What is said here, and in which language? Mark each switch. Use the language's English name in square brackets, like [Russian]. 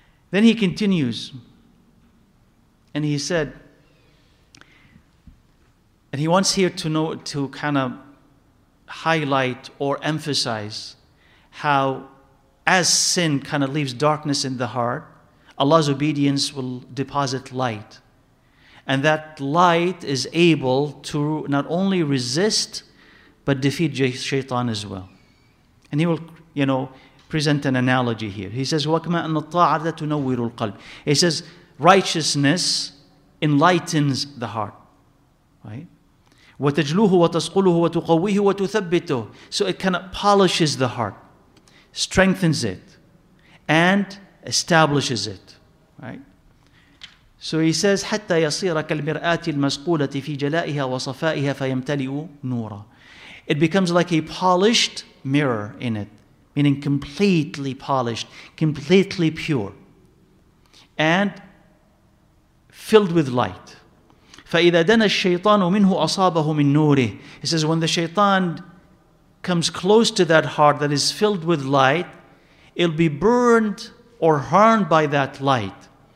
[English] Then he continues and he said, and he wants here to know, to kind of highlight or emphasize how as sin kind of leaves darkness in the heart, Allah's obedience will deposit light. And that light is able to not only resist, but defeat shaitan as well. And he will, you know, present an analogy here. He says, [Arabic] وَكْمَا أَنَّ الطَّاعَةَ تُنَوِّرُ الْقَلْبِ. [English] He says, righteousness enlightens the heart. Right? [Arabic] وَتَجْلُوهُ وَتَسْقُلُهُ وَتُقَوِّهُ وَتُثَبِّتُهُ. [English] So it kind of polishes the heart, strengthens it, and establishes it. Right? So he says, [Arabic] حَتَّى يَصِيرَ كَالْمِرْآةِ الْمَسْقُولَةِ فِي جَلَائِهَا وَصَفَائِهَا فَيَمْتَلِئُ نُورًا. [English] It becomes like a polished mirror in it, meaning completely polished, completely pure, and filled with light. [Arabic] فَإِذَا دَنَ الشَّيْطَانُ مِنْهُ أَصَابَهُ مِنْ نُورِهِ. [English] He says, when the shaitan comes close to that heart that is filled with light, it'll be burned or harmed by that light.